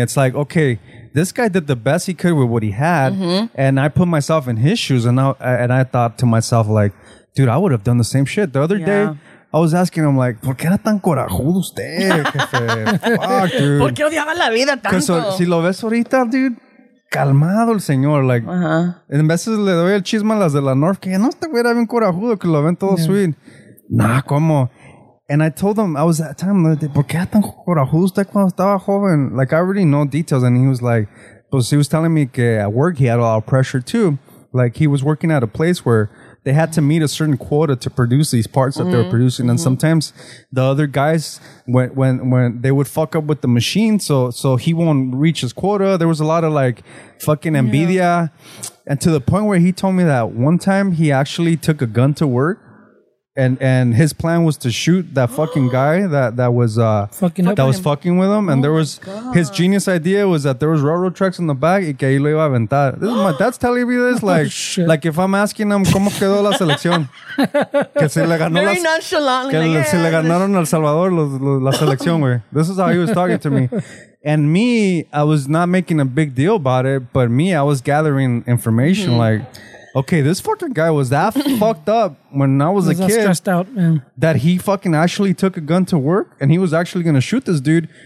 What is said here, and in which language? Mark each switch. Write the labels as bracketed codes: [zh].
[en] It's like, okay, this guy did the best he could with what he had. And I put myself in his shoes. And I thought to myself, like, dude, I would have done the same shit. The other day, I was asking him, like, [es] ¿por qué era tan corajudo usted, jefe? [en] Fuck, dude. [es] ¿Por qué odiaba la vida tanto? Because si lo ves ahorita, dude. Calmado el señor, like, en veces le doy el chisme a las de la North, que no este güey era bien corajudo, que lo ven todo sweet. [en] Nah, como. And I told him, I was at that time, [es] ¿por qué tan corajudo usted cuando estaba joven? [en] Like, I already know details. And he was like, pues he was telling me que at work he had a lot of pressure too. Like, he was working at a place where they had to meet a certain quota to produce these parts that they were producing. And sometimes the other guys, when they would fuck up with the machine, so he won't reach his quota. There was a lot of like fucking envidia. Yeah. And to the point where he told me that one time he actually took a gun to work. And his plan was to shoot that fucking guy that was fucking that was him. Fucking with him. And oh there was his genius idea was that there was railroad tracks in the back. [es] Y que ahí lo iba a aventar. [en] This is my dad's telling me this. Like, oh, like if I'm asking him, [es] ¿cómo quedó la selección? Que se le ganó [en] very nonchalantly. [es] Se le ganaron al Salvador la selección, güey. [en] This is how he was talking to me. And me, I was not making a big deal about it. But me, I was gathering information like... Okay, this fucking guy was that fucked up when I was a kid. That stressed out, man. That he fucking actually took a gun to work and he was actually going to shoot this dude.